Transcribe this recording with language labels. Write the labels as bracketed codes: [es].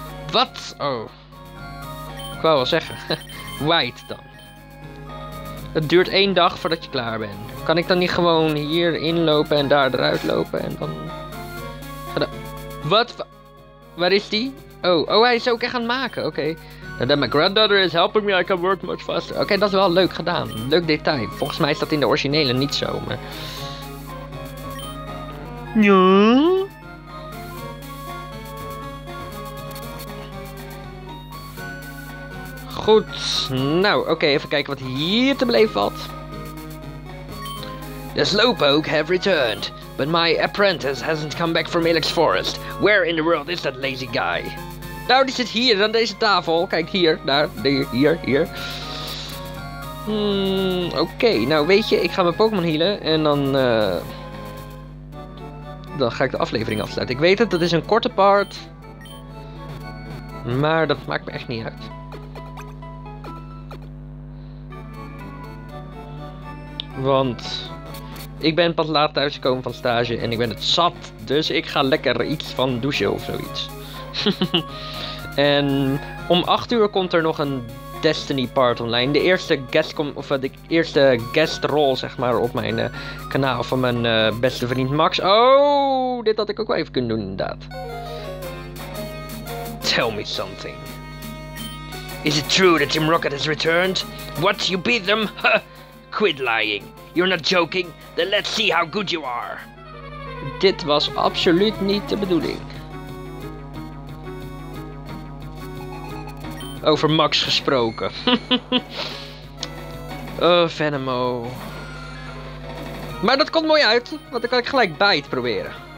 [nl] Wat? Oh. Ik wou wel zeggen. White dan. Het duurt 1 dag voordat je klaar bent. Kan ik dan niet gewoon hier inlopen en daar eruit lopen en dan... Wat? Waar is die? Oh, hij is ook echt aan het maken. Oké. [en] That my granddaughter is helping me, I can work much faster. [nl] Oké, dat is wel leuk gedaan. Leuk detail. Volgens mij is dat in de originele niet zo, maar... Ja? Goed, nou oké, even kijken wat hier te beleven valt. [en] The Slowpoke have returned, but my apprentice hasn't come back from Ilex Forest. Where in the world is that lazy guy? [nl] Nou, die zit hier aan deze tafel. Kijk hier, daar, hier. Oké, nou weet je, ik ga mijn Pokémon healen en dan... Dan ga ik de aflevering afsluiten. Ik weet het, dat is een korte part. Maar dat maakt me echt niet uit. Want ik ben pas laat thuisgekomen van stage en ik ben het zat. Dus ik ga lekker iets van douchen of zoiets. En om 8 uur komt er nog een Destiny part online. De eerste guest rol zeg maar op mijn kanaal van mijn beste vriend Max. Oh, dit had ik ook wel even kunnen doen inderdaad. [en] Tell me something. Is it true that Team Rocket has returned? What, you beat them? Quit lying. You're not joking. Then let's see how good you are. [nl] Dit was absoluut niet de bedoeling. Over Max gesproken. Venomo. Maar dat komt mooi uit, want dan kan ik gelijk bite proberen.